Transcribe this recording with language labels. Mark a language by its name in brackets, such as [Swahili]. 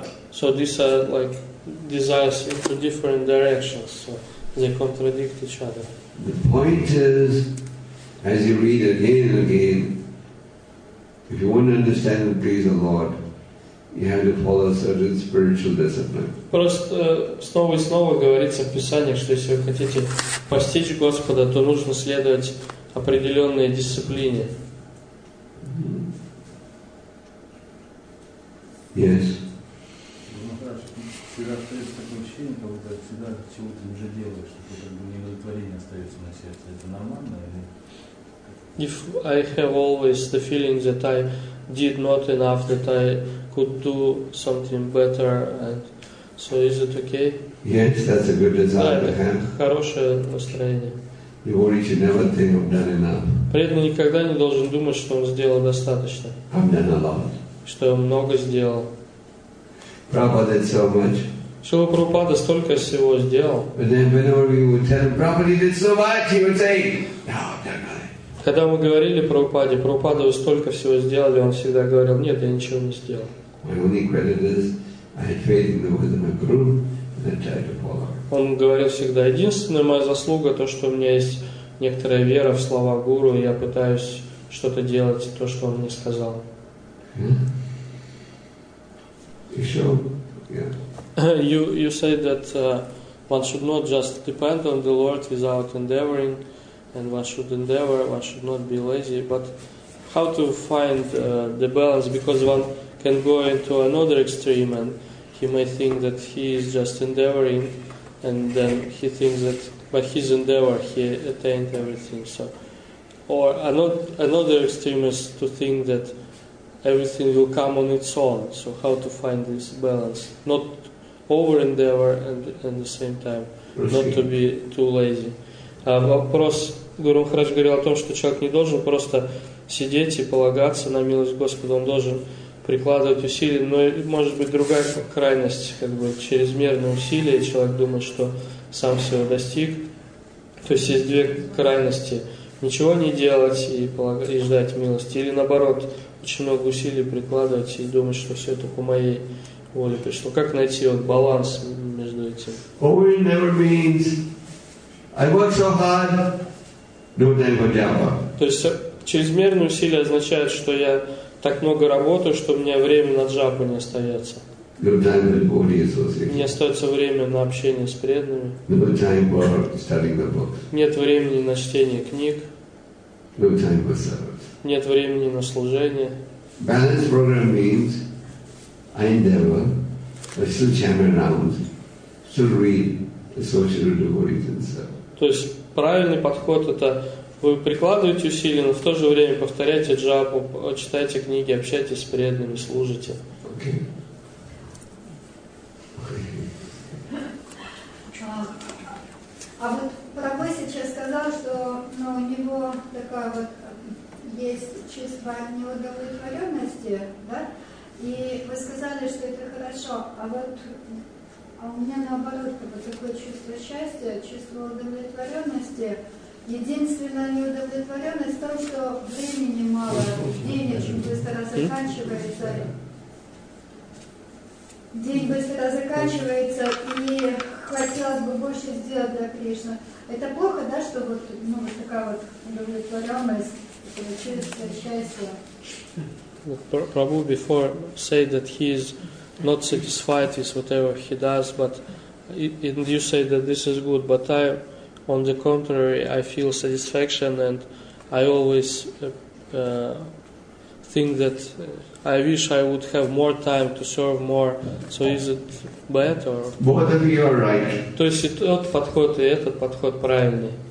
[English] So these are like desires into different directions, so they contradict each other. The point is, as you read again and again, if you want to understand and please the Lord, you have to follow a certain spiritual discipline. [Russian] Просто снова и снова говорится в Писаниях, что если вы хотите постичь Господа, то нужно следовать определенной дисциплине. [English] Yes. [Russian] Всегда остается такое ощущение, как будто всегда чего-то уже делаешь, что как бы неудовлетворение остается на сердце. Это нормально или? [English] If I have always the feeling that I did not enough, that I could do something better, and so is it okay? Yes, that's a good desire to have. [Russian] Хорошее настроение. [English] Devotee should never think I've done enough. [Russian] Преданный никогда не должен думать, что он сделал достаточно. [English] I've done a lot. [Russian] Что я много сделал. [English] Prabhupada did so much. [Russian] Шрила Прабхупада столько всего сделал. [English] But then whenever we would tell him, Prabhupada did so much, he would say, no, I've done nothing. [Russian] Когда мы говорили Прабхупаде, Прабхупада, вы столько всего сделали, он всегда говорил, нет, я ничего не сделал. [English] My only credit is, I had faith in the wisdom of Guru, and I tried to follow. [Russian] Он говорил всегда, единственная моя заслуга, то, что у меня есть некоторая вера в слова Гуру, и я пытаюсь что-то делать, то, что он мне сказал. [English] Yeah. [Russian] Еще? [English] Yeah. You say that one should not just depend on the Lord without endeavoring, and one should endeavor, one should not be lazy, but how to find the balance, because one can go into another extreme and he may think that he is just endeavoring and then he thinks that by his endeavor he attained everything. So, or another extreme is to think that everything will come on its own. So how to find this balance? Not over-endeavor and at the same time, not to be too lazy. [Russian] Вопрос, Гуру Махарадж говорил о том, что человек не должен просто сидеть и полагаться на милость Господа, он должен прикладывать усилия. Но может быть другая крайность, как бы чрезмерное усилие, человек думает, что сам всего достиг. То есть есть две крайности. Ничего не делать и ждать милости. Или наоборот, очень много усилий прикладывать и думать, что все это по моей воле пришло. Как найти вот баланс между этим? [English] Holy never means I work so hard, no time for japa. [Russian] То есть чрезмерные усилия означают, что я так много работаю, что у меня времени на джапу не остается. [English] No time for holy association. [Russian] Не остается время на общение с преданными. [English] No time for studying the books. [Russian] Нет времени на чтение книг. [English] No time for service. [Russian] Нет времени на служение. [English] Balance program means I endeavor, I still chant around, still read the social devotees and so. [Russian] То есть правильный подход — это вы прикладываете усилия, но в то же время повторяете джапу, читаете книги, общаетесь с преданными, служите. [English] Okay. [Russian] А вот Прабху сейчас сказал, что у него такая вот есть чувство неудовлетворенности, да? И вы сказали, что это хорошо. А у меня наоборот такое чувство счастья, чувство удовлетворенности. Единственная неудовлетворенность в том, что времени мало, день очень быстро заканчивается. День быстро заканчивается, и хотелось бы больше сделать для Кришны. Это плохо, да, что вот, вот такая вот удовлетворенность, такое чувство счастья? [English] Prabhu before said that he is not satisfied with whatever he does, but and you say that this is good, but I, on the contrary, I feel satisfaction and I always think that I wish I would have more time to serve more. So is it bad or? Both of you are right. [Russian] То есть и тот подход, и этот подход правильный.